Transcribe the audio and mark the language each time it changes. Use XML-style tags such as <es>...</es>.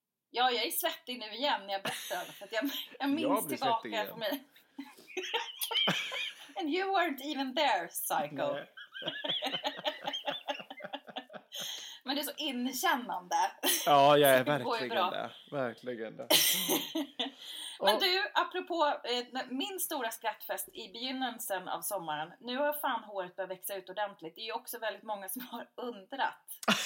<sv>Ja, jag är svettig nu igen när jag berättar för att jag minns jag tillbaka på mig.</sv> <en>And you weren't even there, psycho.</en> <sv>Nej. Men det är så inkännande. Ja, jag är verkligen det. Verkligen det. Men du, apropå min stora skrattfest i begynnelsen av sommaren. Nu har fan håret börjat växa ut ordentligt. Det är ju också väldigt många som har undrat.</sv>